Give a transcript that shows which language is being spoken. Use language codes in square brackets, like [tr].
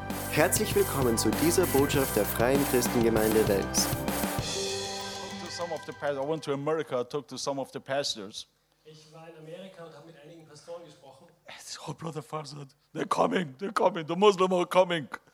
[de] Herzlich willkommen zu dieser Botschaft der Freien Christengemeinde Wels. [en] I went to America, talked to some of the pastors. [de] Ich war in Amerika und habe mit einigen Pastoren gesprochen. [en] Oh, Brother Farzad, they're coming, the Muslims are coming.